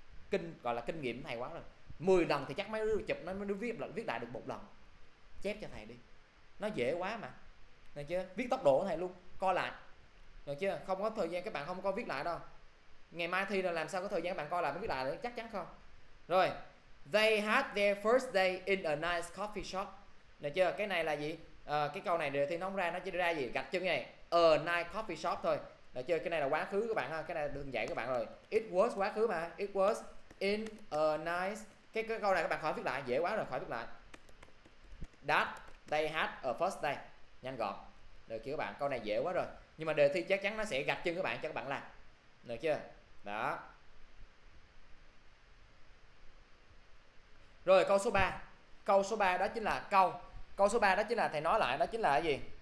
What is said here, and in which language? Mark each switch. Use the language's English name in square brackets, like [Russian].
[Vietnamese] Kinh gọi là kinh nghiệm thầy quá rồi, 10 lần thì chắc mấy đứa chụp nó mới viết lại, viết lại được một lần. Chép cho thầy đi, nó dễ quá mà, được chưa? Viết tốc độ của thầy luôn, coi lại được chưa? Không có thời gian các bạn không có viết lại đâu. Ngày mai thi là làm sao có thời gian các bạn coi lại mới viết lại được, chắc chắn không? Rồi, [English] they had their first day in a nice coffee shop, [Vietnamese] được chưa? Cái này là gì? À, cái câu này đề thi nó không ra, nó chỉ ra gì gạch chân này, [English] a nice coffee shop [Vietnamese] thôi. Được chưa? Cái này là quá khứ các bạn ha, cái này đừng dạy các bạn rồi. [English] It was [Vietnamese] quá khứ mà, [English] it was in a nice, [Vietnamese] cái câu này các bạn khỏi viết lại, dễ quá rồi khỏi viết lại. [English] That they had a first day, [Vietnamese] nhanh gọn. Được chưa các bạn? Câu này dễ quá rồi. Nhưng mà đề thi chắc chắn nó sẽ gạch chân các bạn cho các bạn làm. Được chưa? Đó. Rồi câu số 3. Câu số 3 đó chính là câu số 3 đó chính là thầy nói lại đó chính là cái gì?